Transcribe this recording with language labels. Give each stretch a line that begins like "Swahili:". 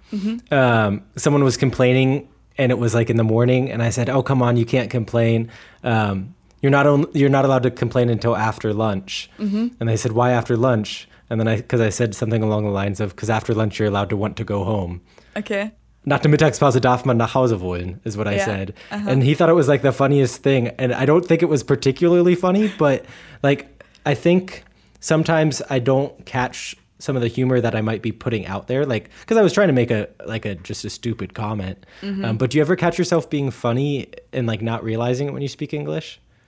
English: Mm-hmm. Someone was complaining and it was like in the morning and I said, oh, come on, you can't complain. You're not allowed to complain until after lunch. Mm-hmm. And they said, why after lunch? And then I said something along the lines of, because after lunch, you're allowed to want to go home. Okay.
German: Nach der Mittagspause darf man nach Hause wollen,
English: is what I said. Uh-huh. And he thought it was like the funniest thing. And I don't think it was particularly funny, but like, I think sometimes I don't catch some of the humor that I might be putting out there. Like, because I was trying to make just a stupid comment. Mm-hmm. But do you ever catch yourself being funny and like not realizing it when you speak English?